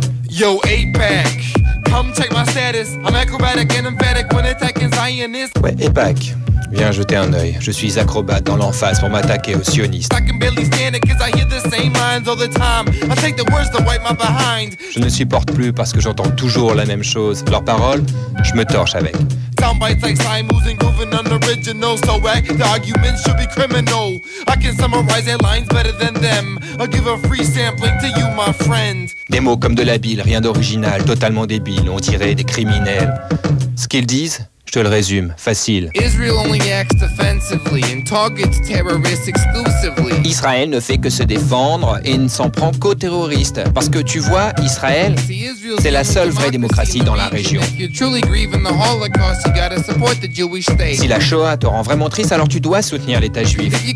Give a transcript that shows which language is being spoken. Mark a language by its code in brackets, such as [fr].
[en] Yo, APAC, come take my status. I'm acrobatic and emphatic when attacking Zionists. [fr] Ouais, APAC, viens jeter un œil. Je suis acrobate dans l'emphase pour m'attaquer aux sionistes. [en] I can barely stand it cause I hear the same lines all the time. I take the words to wipe my behind. [fr] Je ne supporte plus parce que j'entends toujours la même chose. Leurs paroles, je me torche avec. [en] Soundbites like Simus and Grooving unoriginal. So act, the arguments should be criminal. I can summarize their lines better than them. I'll give a free sampling to you, my friend. [fr] Des mots comme de la bile, rien d'original, totalement débile, on dirait des criminels. Ce qu'ils disent, je te le résume, facile. [en] Israel only acts defensively and targets terrorists exclusively. [fr] Israël ne fait que se défendre et ne s'en prend qu'aux terroristes. Parce que tu vois, Israël, c'est la seule vraie démocratie dans la région. Si la Shoah te rend vraiment triste, alors tu dois soutenir l'État juif.